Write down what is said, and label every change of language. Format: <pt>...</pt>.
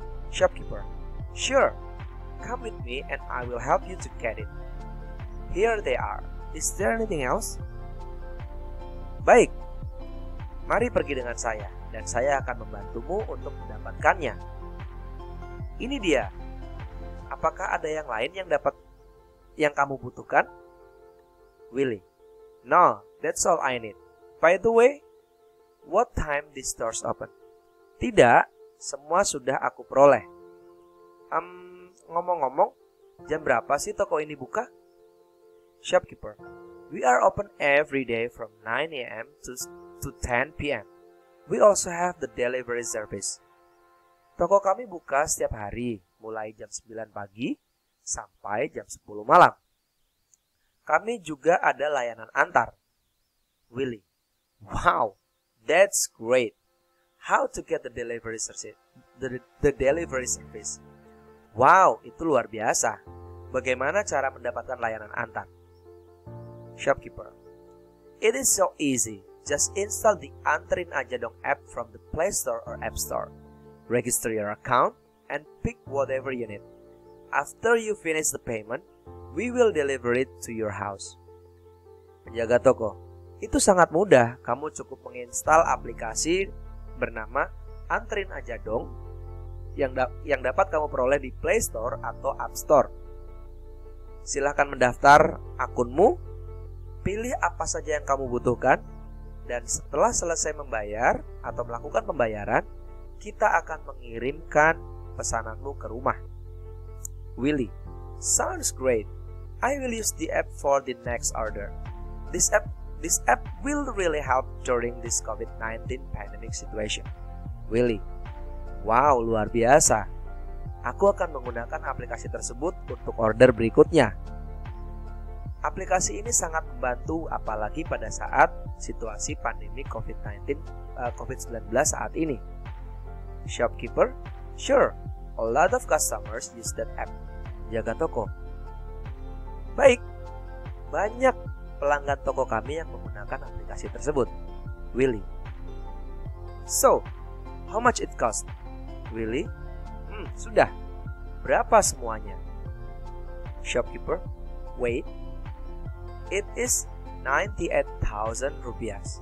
<en>Shopkeeper, sure, come with me and I will help you to get it. Here they are, is there anything else?</en> <id>Baik, mari pergi dengan saya, dan saya akan membantumu untuk mendapatkannya. Ini dia. Apakah ada yang lain yang kamu butuhkan?</id> <en>Willy. No, that's all I need. By the way, what time these stores open?</en> <id>Tidak, semua sudah aku peroleh. Ngomong-ngomong, jam berapa sih toko ini buka? Shopkeeper.</id> <en>We are open every day from 9 a.m. to 10 p.m. We also have the delivery service.</en> <id>Toko kami buka setiap hari, mulai jam 9 pagi sampai jam 10 malam. Kami juga ada layanan antar. Willy.</id> <en>Wow, that's great. How to get the delivery service?</en> <id>Wow, itu luar biasa. Bagaimana cara mendapatkan layanan antar? Shopkeeper.</id> <en>It is so easy. Just install the Anterin Aja Dong app from the Play Store or App Store. Register your account and pick whatever you need. After you finish the payment, we will deliver it to your house.</en> <id>Penjaga toko, itu sangat mudah. Kamu cukup menginstal aplikasi bernama Anterin Aja Dong yang dapat kamu peroleh di Play Store atau App Store. Silahkan mendaftar akunmu, pilih apa saja yang kamu butuhkan, dan setelah selesai membayar atau melakukan pembayaran, kita akan mengirimkan pesananmu ke rumah.</id> <en>Willy, sounds great. I will use the app for the next order. This app will really help during this COVID-19 pandemic situation.</en> <id>Willy, wow, luar biasa. Aku akan menggunakan aplikasi tersebut untuk order berikutnya. Aplikasi ini sangat membantu apalagi pada saat situasi pandemi COVID-19 saat ini.</id> <en>Shopkeeper, sure, a lot of customers use that app.</en> <id>Jaga toko. Baik, banyak pelanggan toko kami yang menggunakan aplikasi tersebut.</id> <en>Willy, so, how much it cost?</en> <id>Willy, sudah. Berapa semuanya?</id> <en>Shopkeeper, wait. It is 98,000 rupiah.</en>